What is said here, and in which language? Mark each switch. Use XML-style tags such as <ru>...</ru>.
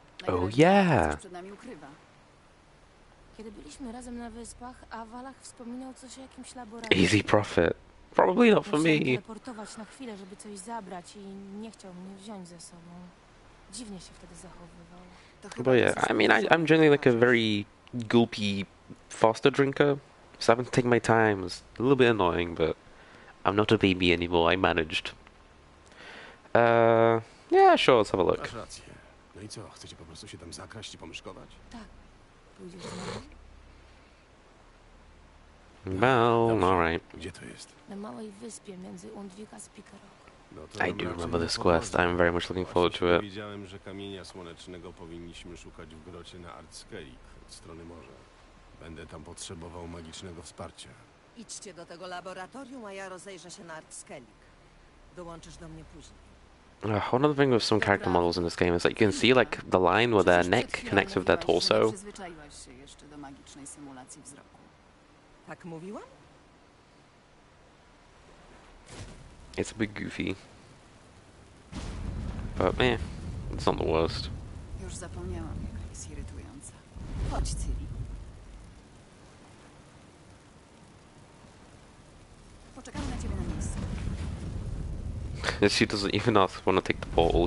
<en>Oh yeah.</en> <pl>Przed nami ukrywa. Kiedy byliśmy razem na wyspach, a Valach wspominał coś o jakimś laboratorium.</pl> <en>Easy profit. Probably not for me.</en> <pl>Teleportować na chwilę, żeby coś zabrać i nie chciał mnie wziąć ze sobą. Dziwnie się wtedy zachowywał.</pl> <en>But yeah, I mean, I'm generally like a very gulpy, faster drinker. So having to take my time is a little bit annoying, but I'm not a baby anymore, I managed. Yeah, sure, let's have a look.</en> <pl>Masz rację. No i co, chcecie po prostu się tam zakraść i pomyszkować? Tak. Pójdziesz na mnie?</pl> <en>Well, alright.</en> <pl>Gdzie to jest? Na małej wyspie między Undvik a Spikerok.</pl> <en>I do remember this quest. I'm very much looking forward to it.</en> <pl>Wiedziałem, że kamienia słonecznego powinniśmy szukać w grocie na Artskellig od strony morza. Będę tam potrzebował magicznego wsparcia. Idźcie do tego laboratorium, a ja rozejrzę się na Artskellig. Dołączysz do mnie później.</pl> <en>Another thing with some character models in this game is that you can see like the line where their neck connects with their torso.</en> <pl>Przyzwyczaiłaś się jeszcze do magicznej symulacji wzroku. Tak mówiłam?</pl> <en>It's a bit goofy. But meh, it's not the worst.</en> <pl>Już zapomniałam, jak jest irytująca. Chodź, Ciri. Poczekamy na ciebie na miejscu.</pl> <en>She doesn't even ask, want to take the portal.</en>